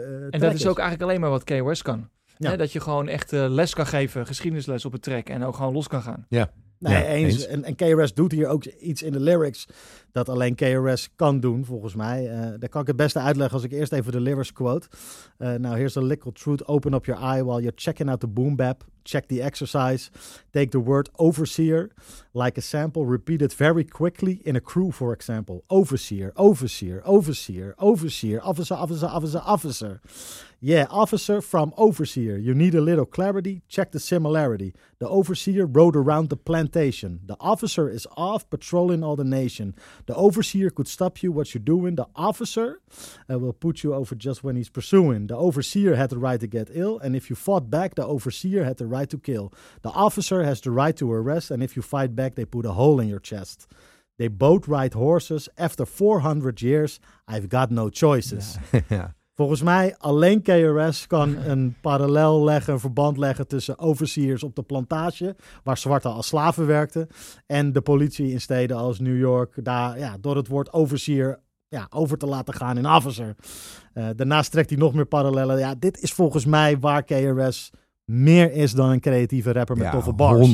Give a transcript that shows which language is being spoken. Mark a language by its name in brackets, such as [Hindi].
[Dutch] En dat is ook eigenlijk alleen maar wat KOS kan. Ja. Hè, dat je gewoon echt les kan geven, geschiedenisles op het track en ook gewoon los kan gaan. Ja. Nee, ja, eens. En KRS doet hier ook iets in de lyrics dat alleen KRS kan doen, volgens mij. Daar kan ik het beste uitleggen als ik eerst even de lyrics quote. [English] Now, here's a little truth. Open up your eye while you're checking out the boom bap. Check the exercise. Take the word overseer like a sample. Repeat it very quickly in a crew, for example. Overseer, overseer, overseer, overseer. Officer, officer, officer, officer. Yeah, officer from overseer. You need a little clarity. Check the similarity. The overseer rode around the plantation. The officer is off patrolling all the nation. The overseer could stop you what you're doing. The officer will put you over just when he's pursuing. The overseer had the right to get ill. And if you fought back, the overseer had the right to kill. The officer has the right to arrest. And if you fight back, they put a hole in your chest. They both ride horses. After 400 years, I've got no choices. Yeah. [Dutch] Volgens mij alleen KRS kan een parallel leggen, een verband leggen tussen overseers op de plantage, waar zwarten als slaven werkten, en de politie in steden als New York, daar ja, door het woord overseer ja, over te laten gaan in officer. Daarnaast trekt hij nog meer parallellen. Ja, dit is volgens mij waar KRS meer is dan een creatieve rapper met toffe bars.